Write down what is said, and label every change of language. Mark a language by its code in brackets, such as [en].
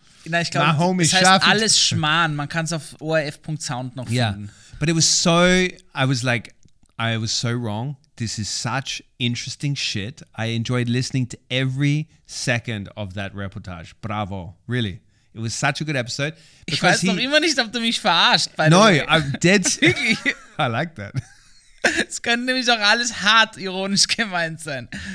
[de] Na, ich glaube, es heißt Schaffi alles Schmarrn. Man kann es auf orf.sound noch finden. [en] But it was so, I was so wrong. This is such interesting shit. I enjoyed listening to every second of that reportage. Bravo. Really. It was such a good episode. [de] Ich weiß noch immer nicht, ob du mich verarscht. [en] No, I'm dead. I like that. [de] Es könnte nämlich auch alles hart ironisch gemeint sein.